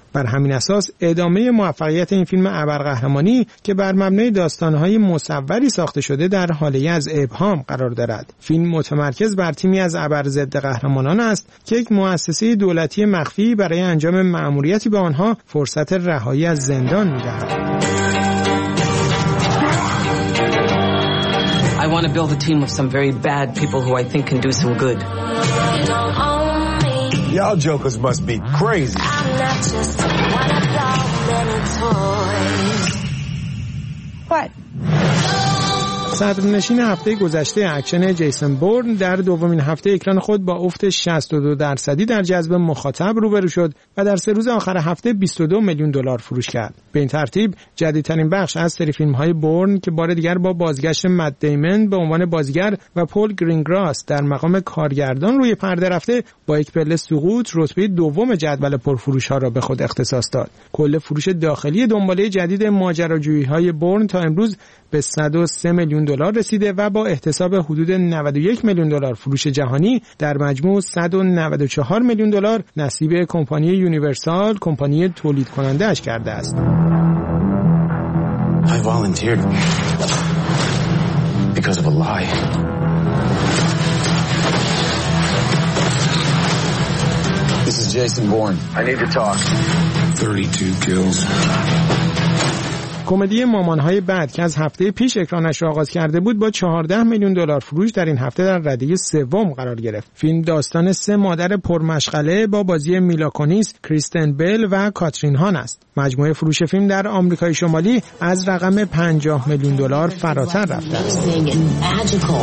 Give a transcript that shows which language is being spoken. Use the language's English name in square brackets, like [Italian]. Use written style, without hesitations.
[Persian] بر همین اساس ادامه موفقیت این فیلم ابرقهرمانی که بر مبنای داستان‌های مصوری ساخته شده در حاله‌ای از ابهام قرار دارد. فیلم متمرکز بر تیمی از ابر ضد قهرمانان است که یک مؤسسه دولتی مخفی برای انجام مأموریتی به آنها فرصت رهایی از زندان می‌دهد. [English] I want to build a team of some very bad people who I think can do some good. Y'all jokers must be crazy. I'm not just one of many toys. What? [Persian] صدرنشین هفته گذشته اکشن جیسون بورن در دومین هفته اکران خود با افت 62% در جذب مخاطب روبرو شد و در سه روز آخر هفته 22 میلیون دلار فروش کرد. به این ترتیب جدیدترین بخش از سری فیلم‌های بورن که بار دیگر با بازگشت مت دیمن به عنوان بازیگر و پول گرینگراس در مقام کارگردان روی پرده رفته با یک پله سقوط رتبه دوم جدول پرفروش‌ها را به خود اختصاص داد. کل فروش داخلی دنباله جدید ماجراجویی‌های بورن تا امروز به 103 میلیون دلار رسیده و با احتساب حدود 91 میلیون دلار فروش جهانی در مجموع 194 میلیون دلار نصیب کمپانی یونیورسال، کمپانی تولید کننده اش کرده است. [English] I volunteered because of a lie. This is Jason Bourne. I need to talk. 32 kills. [Persian] کمدی مامان‌های بعد که از هفته پیش اکرانش را آغاز کرده بود با 14 میلیون دلار فروش در این هفته در رده سوم قرار گرفت. فیلم داستان سه مادر پرمشغله با بازی میلا کونیس، کریستن بیل و کاترین هان است. مجموعه فروش فیلم در آمریکای شمالی از رقم 50 میلیون دلار فراتر رفته است.